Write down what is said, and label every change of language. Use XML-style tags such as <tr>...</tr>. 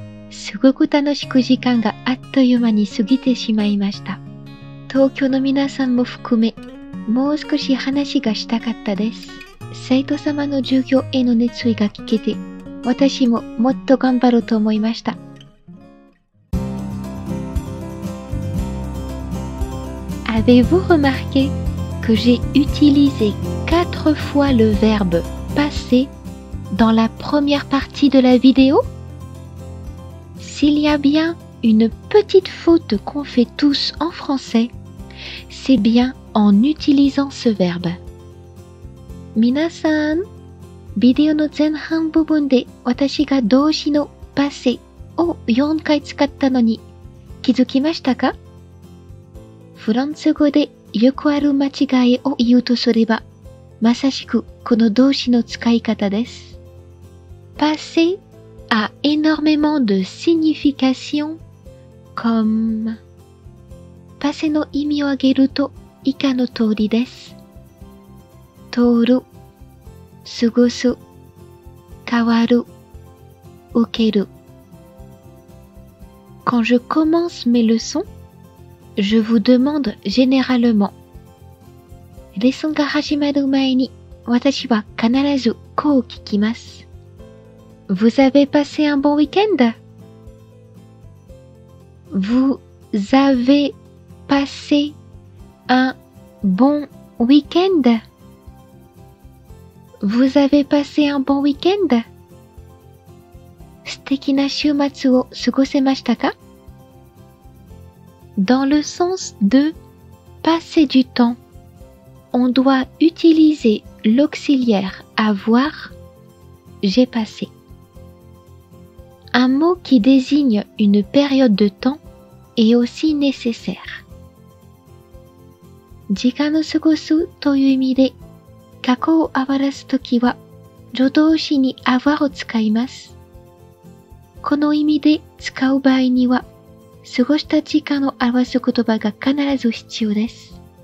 <ja>すごく楽しく時間があっという間に過ぎてしまいました。東京の皆さんも含め、もう少し話がしたかったです。生徒様の授業への熱意が聞けて、私ももっと頑張ろうと思いました。</ja> <fr>Avez-vous remarqué que j'ai utilisé 4 fois le verbe passer dans la première partie de la vidéo? S'il y a bien une petite faute qu'on fait tous en français, c'est bien en utilisant ce verbe.</fr> <ja>皆さん、ビデオの前半部分で私が動詞のパセを4回使ったのに気づきましたか？フランス語でよくある間違いを言うとすれば、まさしくこの動詞の使い方です。パセ</ja> <fr>a énormément de significations comme passé</fr> <ja>の意味を挙げると以下の通りです。通る、過ごす、変わる、受ける。</ja> <fr>Quand je commence mes leçons, je vous demande généralement.</fr> <ja>レッスンが始まる前に私は必ずこう聞きます。</ja> <fr>Vous avez passé un bon week-end? Vous avez passé un bon week-end? Vous avez passé un bon week-end?</fr> <ja>素敵な週末を過ごせましたか?</ja> <fr>Dans le sens de passer du temps, on doit utiliser l'auxiliaire avoir, j'ai passé. Un mot qui désigne une période de temps est aussi nécessaire.</fr> <ja>時間を過ごすという意味で、過去を表すときは、助動詞に avoir を使います。この意味で使う場合には、過ごした時間を表す言葉が必ず必要です。</ja>